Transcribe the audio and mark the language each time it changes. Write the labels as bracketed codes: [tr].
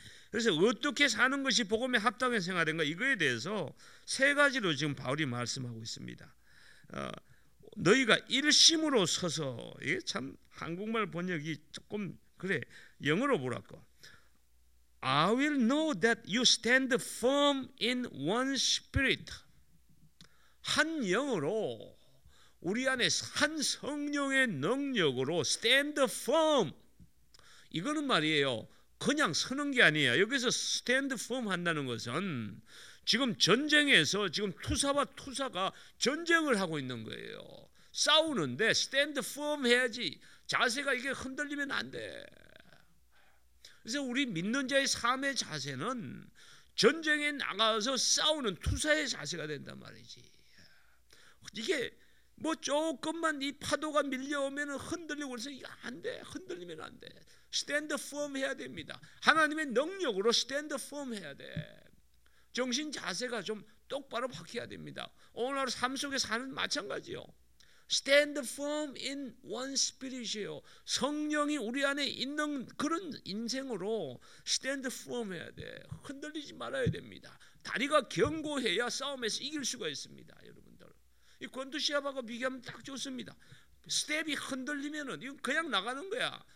[ko] 그래서 어떻게 사는 것이 복음에 합당한 생활인가 이거에 대해서 세 가지로 지금 바울이 말씀하고 있습니다. 너희가 일심으로 서서, 이게 참 한국말 번역이 조금 그래, 영어로 보라고. [en] I will know that you stand firm in one spirit. [ko] 한 영으로 우리 안에 한 성령의 능력으로 [en] stand firm. [ko] 이거는 말이에요. 그냥 서는 게 아니에요. 여기서 [en] stand firm [ko] 한다는 것은 지금 전쟁에서 지금 투사와 투사가 전쟁을 하고 있는 거예요. 싸우는데 [en] stand firm [ko] 해야지 자세가 이게 흔들리면 안 돼. 그래서 우리 믿는 자의 삶의 자세는 전쟁에 나가서 싸우는 투사의 자세가 된단 말이지. 이게 뭐 조금만 이 파도가 밀려오면 흔들리고 그래서 이게 안 돼. 흔들리면 안 돼. [en] stand firm [ko] 해야 됩니다. 하나님의 능력으로 stand firm 해야 돼. 정신 자세가 좀 똑바로 박혀야 됩니다. 오늘 삶 속에 사는 마찬가지요. [en] Stand firm in one spirit이에요. [ko] 성령이 우리 안에 있는 그런 인생으로 [en] stand firm [ko] 해야 돼. 흔들리지 말아야 됩니다. 다리가 견고해야 싸움에서 이길 수가 있습니다. 여러분들. 이 권투시합하고 비교하면 딱 좋습니다. 스텝이 흔들리면은 이건 그냥 나가는 거야.